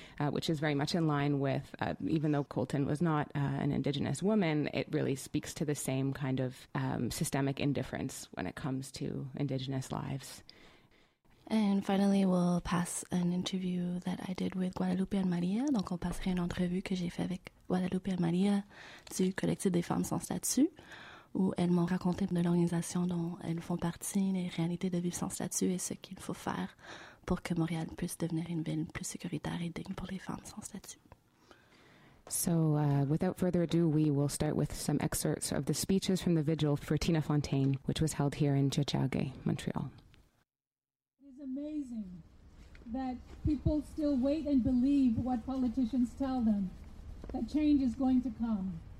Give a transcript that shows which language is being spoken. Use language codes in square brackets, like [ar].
[en] which is very much in line with, even though Colton was not an Indigenous woman, it really speaks to the same kind of systemic indifference when it comes to Indigenous lives. And finally, we'll pass an interview that I did with Guadalupe and Maria. [fr] Donc, on passerait une entrevue que j'ai fait avec Guadalupe and Maria du collectif des femmes sans statut, où elles m'ont raconté de l'organisation dont elles font partie, les réalités de vivre sans statut et ce qu'il faut faire pour que Montréal puisse devenir une ville plus sécuritaire et digne pour les femmes sans statut. [en] So, without further ado, we will start with some excerpts of the speeches from the vigil for Tina Fontaine, which was held here in Jojage, Montreal. Amazing that people still wait and believe what politicians tell them, that change is going to come.